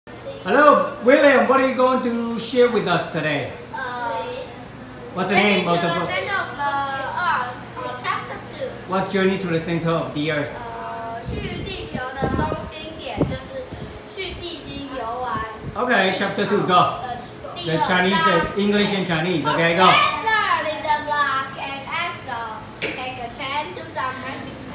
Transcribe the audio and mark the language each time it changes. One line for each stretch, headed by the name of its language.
English: Hello, William, what are you going to share with us today? What's the name of the book? Journey to the Center of the Earth, Chapter 2. What's Journey to the Center of the Earth?
Chinese: 去地球的中心点,就是去地心游玩.
English: Okay, Chapter 2, go. The Chinese, English and Chinese, okay, go. Professor is a rock and Axel take a train to the mountain.